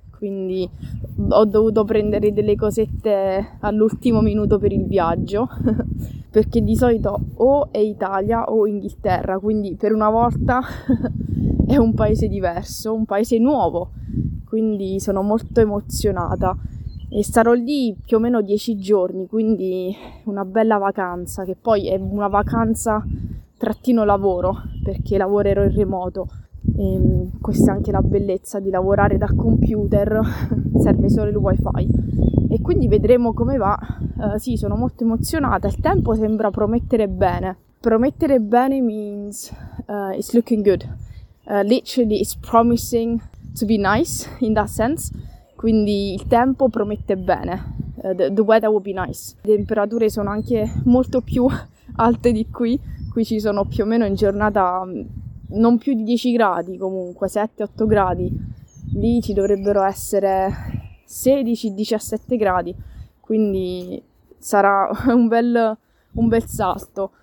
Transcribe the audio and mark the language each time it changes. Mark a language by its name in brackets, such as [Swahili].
[Italian] Quindi ho dovuto prendere delle cosette all'ultimo minuto per il viaggio, perché di solito o è Italia o Inghilterra, quindi per una volta è un paese diverso, un paese nuovo, quindi sono molto emozionata e starò lì più o meno 10 giorni, quindi una bella vacanza, che poi è una vacanza trattino lavoro, perché lavorerò in remoto. E questa è anche la bellezza di lavorare da computer, serve solo il wifi. E quindi vedremo come va. Sì, sono molto emozionata, il tempo sembra promettere bene. Promettere bene [English] means it's looking good. Literally it's promising to be nice in that sense. [Italian] Quindi il tempo promette bene, [English] the weather will be nice. [Italian] Le temperature sono anche molto più alte di qui. Qui ci sono più o meno in giornata non più di 10 gradi, comunque 7-8 gradi, lì ci dovrebbero essere 16-17 gradi, quindi sarà un bel salto.